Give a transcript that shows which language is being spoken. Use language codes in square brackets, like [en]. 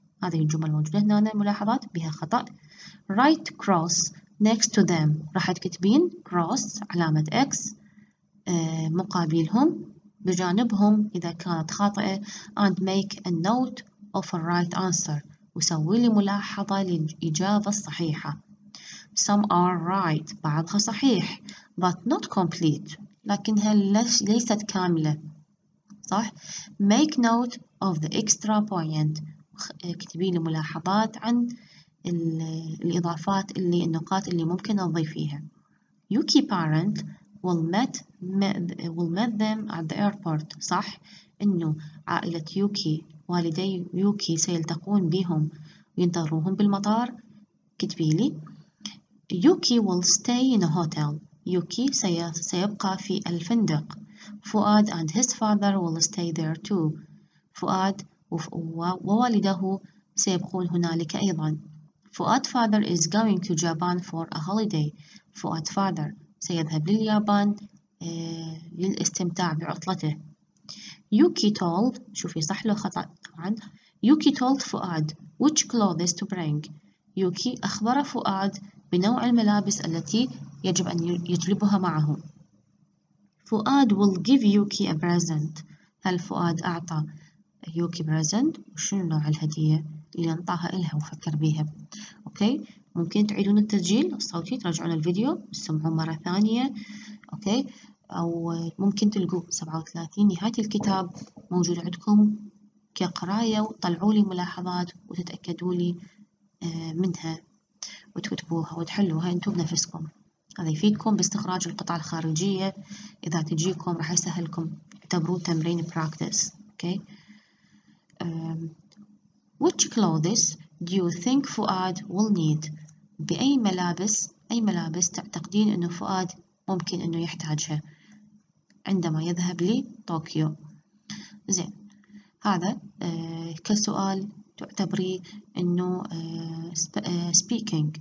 [ar] هذه الجمل موجودة هنا الملاحظات بها خطأ. [en] Write cross next to them. [ar] راح تكتبين cross علامة X مقابلهم بجانبهم إذا كانت خاطئة. [en] And make a note of a right answer. [ar] وسوي لي ملاحظة للإجابة الصحيحة. [en] Some are right. [ar] بعضها صحيح. [en] But not complete. [ar] لكنها ليست كاملة. صح؟ [en] Make note of the extra point. [ar] اكتبي لي ملاحظات عن الإضافات اللي النقاط اللي ممكن أضيفيها. [en] Yuki parent will meet them at the airport. [ar] صح؟ إنه عائلة يوكي والدي يوكي سيلتقون بهم وينتظروهم بالمطار. اكتبي لي [en] Yuki will stay in a hotel. [ar] يوكي سيبقى في الفندق. [en] فؤاد and his father will stay there too. [ar] فؤاد ووالده سيبقون هنالك أيضا. [en] فؤاد father is going to Japan for a holiday. [ar] فؤاد father سيذهب لليابان للاستمتاع بعطلته. [en] Yuki told [ar] شوفي صح له خطأ عن [en] Yuki told فؤاد which clothes to bring. [ar] يوكي أخبر فؤاد بنوع الملابس التي يجب أن يجلبها معه. [en] فؤاد will give Yuki a present. [ar] هل فؤاد أعطى يوكي present؟ وشنو نوع الهدية اللي أنطاها إلها وفكر بيها؟ أوكي؟ ممكن تعيدون التسجيل الصوتي، ترجعون الفيديو وتسمعون مرة ثانية. أوكي؟ أو ممكن تلقوا 37 نهاية الكتاب موجود عندكم كقراية، وطلعوا لي ملاحظات وتتأكدوا لي منها وتكتبوها وتحلوها أنتم بنفسكم. هذا يفيدكم باستخراج القطع الخارجية إذا تجيكم، راح يسهلكم. اعتبروه تمرين practice. Okay. [en] Which clothes do you think Fuad will need? [ar] بأي ملابس، أي ملابس تعتقدين أنه فؤاد ممكن أنه يحتاجها عندما يذهب لطوكيو؟ زين، هذا كسؤال تعتبري أنه speaking.